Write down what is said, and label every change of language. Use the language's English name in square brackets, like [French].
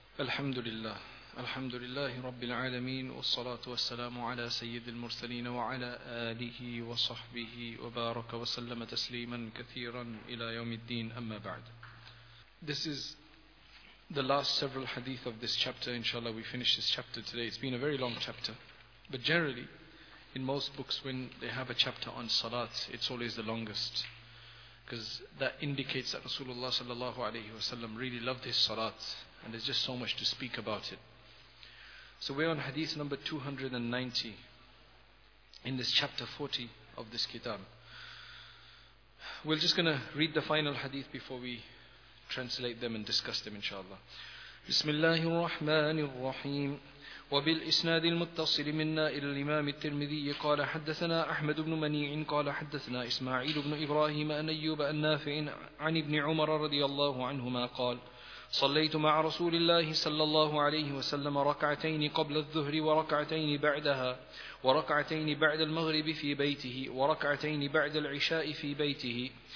[Arabic] الحمد لله، الحمد لله رب العالمين، والصلاة والسلام على سيد المرسلين وعلى آله وصحبه وبارك وسلم تسليما كثيرا إلى يوم الدين. أما بعد، [English] this is the last several hadith of this chapter. Inshallah, we finish this chapter today. It's been a very long chapter, but generally in most books when they have a chapter on salat, it's always the longest, because that indicates that Rasulullah sallallahu alayhi wa sallam really loved his salat, and there's just so much to speak about it. So we're on hadith number 290 in this chapter 40 of this kitab. We're just going to read the final hadith before we translate them and discuss them inshallah. Bismillahir Rahmanir Rahim. [Arabic] وبالإسناد المتصل منا إلى الإمام الترمذي قال حدثنا أحمد بن منيع قال حدثنا إسماعيل بن إبراهيم عن أيوب عن نافع عن ابن عمر رضي الله عنهما قال صليت مع رسول الله صلى الله عليه وسلم ركعتين قبل الظهر وركعتين بعدها وركعتين بعد المغرب في بيته وركعتين بعد العشاء في بيته.